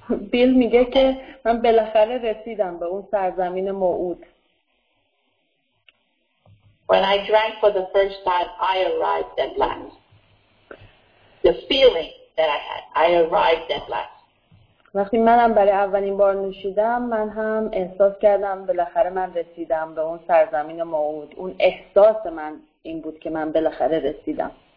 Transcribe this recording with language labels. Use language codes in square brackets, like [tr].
[fa] بیل میگه که من بالاخره رسیدم به اون سرزمین موعود. [en] When I drank for the first time, I arrived at last. The feeling that I had, I arrived at last. [fa] وقتی منم برای اولین بار نوشیدم، من هم احساس کردم بالاخره من رسیدم به اون سرزمین موعود. اون احساس من این بود که من بالاخره رسیدم.